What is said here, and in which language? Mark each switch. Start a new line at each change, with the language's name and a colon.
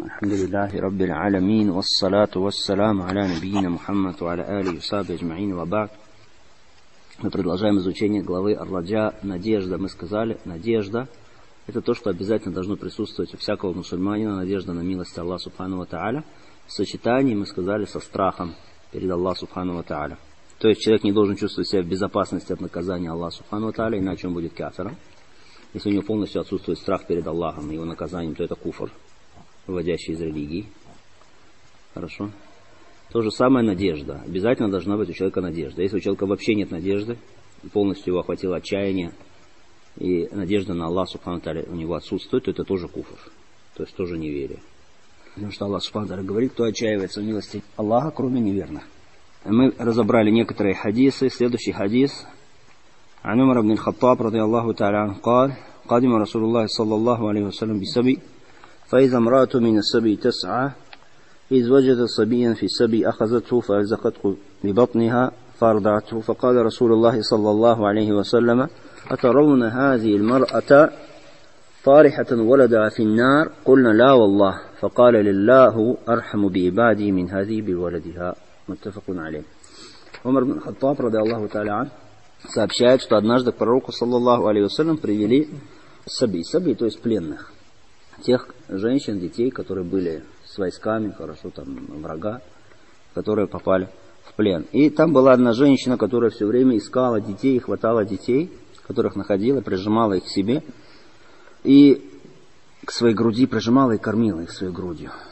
Arabic: الحمد لله رب العالمين، والصلاة والسلام على نبينا محمد وعلى آله وصحبه أجمعين. وبعد،
Russian: мы продолжаем изучение главы Ар-Раджа «Надежда». Мы сказали, надежда – это то, что обязательно должно присутствовать у всякого мусульманина, надежда на милость Аллаха Субхану Ва Та'аля, в сочетании, мы сказали, со страхом перед Аллахом Субхану Ва Та'аля. То есть человек не должен чувствовать себя в безопасности от наказания Аллаха Субхану Ва Та'аля, иначе он будет кафиром. Если у него полностью отсутствует страх перед Аллахом и его наказанием, то это куфр, выводящий из религии. Хорошо. То же самое надежда. Обязательно должна быть у человека надежда. Если у человека вообще нет надежды, полностью его охватило отчаяние, и надежда на Аллах Субхану Ва Та'аля у него отсутствует, то это тоже куфр. То есть тоже неверие. Потому что Аллах Субхану Ва Та'аля говорит, кто отчаивается в милости Аллаха, кроме неверных. Мы разобрали некоторые хадисы. Следующий хадис.
Arabic: عن عمر بن الخطاب رضي الله تعالى عنه قال قادم رسول الله صلى الله عليه وسلم بسبي فإذا امرأة من السبي تسعى إذ وجدت صبيا في السبي أخذته فألزقته ببطنها فأرضعته فقال رسول الله صلى الله عليه وسلم أترون هذه المرأة طارحة ولدها في النار قلنا لا والله فقال لله أرحم بعبادي من هذه بولدها متفق عليه.
Russian: عمر بن الخطاب
Arabic: رضي الله تعالى عنه
Russian: сообщает, что однажды к пророку, саллаллаху алейхи вассалям, привели саби, то есть пленных. Тех женщин, детей, которые были с войсками, хорошо, там, врага, которые попали в плен. И там была одна женщина, которая все время искала детей, хватала детей, которых находила, прижимала их к себе и к своей груди прижимала и кормила их своей грудью.